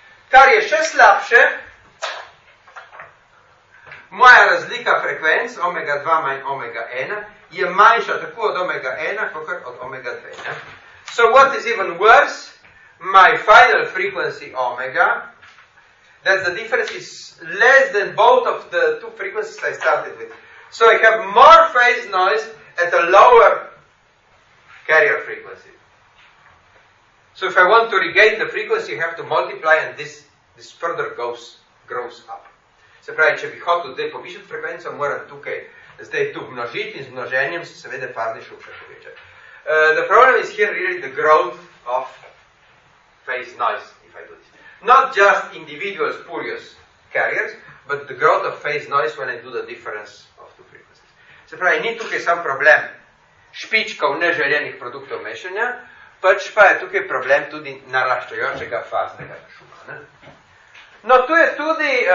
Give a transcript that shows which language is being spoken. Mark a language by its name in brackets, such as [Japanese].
[Slovenian] Kar je še slabše, moja razlika frekvenc, omega 2 manj omega 1, je manjša tako od omega 1, kot od omega 2. Ne? [English] So what is even worse, my final frequency omega, that the difference is less than both of the two frequencies I started with. So I have more phase noise at a lower carrier frequency. So if I want to regain the frequency, I have to multiply and this further grows up. [Slovenian] Se pravi, če bi hotel zdaj povišati frekvenco, moram tukaj zdaj tu množiti in z množenjem se seveda fazni šum še povečati. [English] The problem is here really the growth of phase noise, if I do this. Not just individual spurious carriers, but the growth of phase noise when I do the difference of two frequencies. [Slovenian] Se pravi, ni tukaj sam problem špičkov neželjenih produktov mešanja, pač pa je tukaj problem tudi naraščajočega faznega šuma. Ne? No, tu je tudi